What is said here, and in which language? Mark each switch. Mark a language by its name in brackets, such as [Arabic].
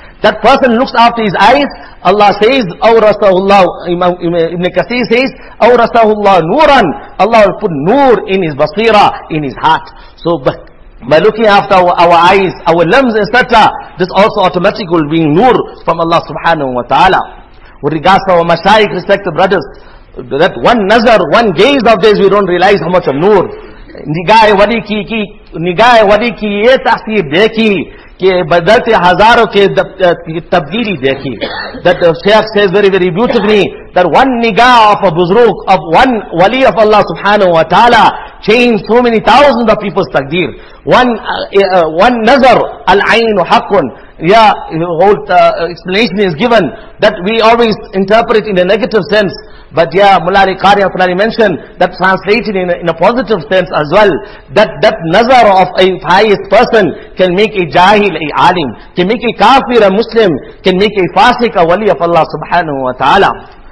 [English] That person looks after his eyes, Allah says, aw rasahu Allahu, Ibn Kathir says, aw rasahu Allahu nuran, Allah will put nur in his basira, in his heart. So, by looking after our eyes, our limbs, etc., this also automatically will bring nur from Allah subhanahu wa ta'ala. With regards to our mashayikh, respected brothers, that one nazar, one gaze of this, we don't realize how much of nur. [Urdu] نگاہ ولی کی یہ تاثیر دیکھی کہ بدلت ہزاروں کے تبدیلی دیکھی. [English] That شیخ says very very beautifully that one نگاہ of a بزرگ of one ولی of Allah [Urdu] سبحانہ و تعالی [English] changed so many thousands of people's تقدیر. [Arabic] One نظر العین حق. [English] Yeah, the whole explanation is given that we always interpret in a negative sense. But yeah, Mullari Qari Afnani mentioned that translated in a positive sense as well, that nazar of a pious person can make a jahil a alim, can make a kafir a Muslim, can make a fasiq a wali of Allah subhanahu wa ta'ala.